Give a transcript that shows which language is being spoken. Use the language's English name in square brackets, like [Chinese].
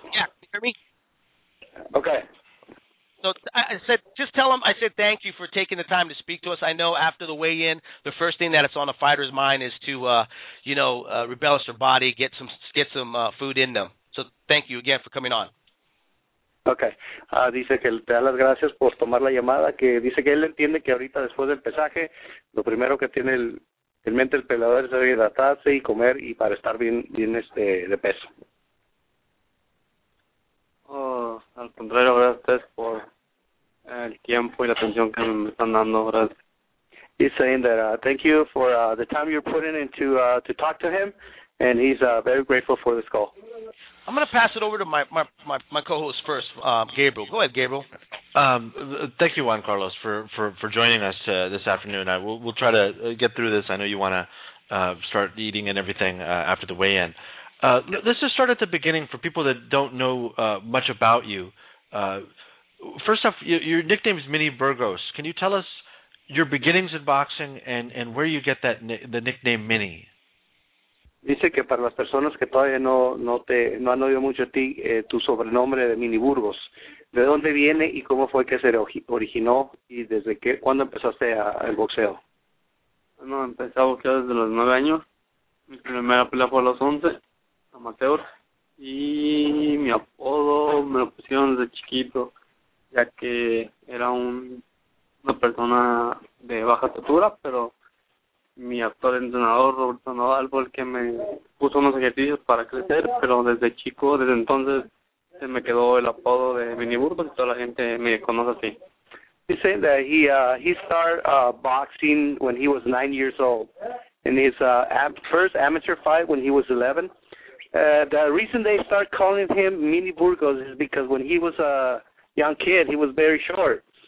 [English] Yeah, can you hear me? Okay. So I said, just tell him, I said, thank you for taking the time to speak to us. I know after the weigh-in, the first thing that's on a fighter's mind is to, rebellish their body, get some food in them. So thank you again for coming on. Okay. [Spanish] Dice que te da las gracias por tomar la llamada, que dice que él entiende que ahorita después del pesaje, lo primero que tiene Realmente el peleador es hidratarse y comer y para estar bien de peso. Oh, al contrario, gracias a ustedes por el tiempo y la atención que me están dando. Gracias. [English] He's saying that thank you for the time you're putting into to talk to him, and he's very grateful for this call. I'm going to pass it over to my co-host first, Gabriel. Go ahead, Gabriel. Thank you, Juan Carlos, for joining us this afternoon. We'll try to get through this. I know you want to start eating and everything after the weigh-in. Let's just start at the beginning for people that don't know much about you. First off, your nickname is Mini Burgos. Can you tell us your beginnings in boxing and where you get the nickname Mini? [Spanish] Dice que para las personas que todavía no han oído mucho de ti, tu sobrenombre de Mini Burgos, ¿de dónde viene y cómo fue que se originó y desde cuándo empezaste el boxeo? Bueno, empecé a boxear desde los 9 años. Mi primera pelea fue a los 11, amateur. Y mi apodo me lo pusieron desde chiquito, ya que era una persona de baja estatura, pero mi actual entrenador, Roberto Nadal, fue el que me puso unos ejercicios para crecer, pero desde chico, desde entonces, se me quedó el apodo de Mini Burgos y toda la gente me conoce así. [English] He said that he started boxing when he was 9 years old, in his first amateur fight when he was 11. The reason they start calling him Mini Burgos is because when he was a young kid, he was very short.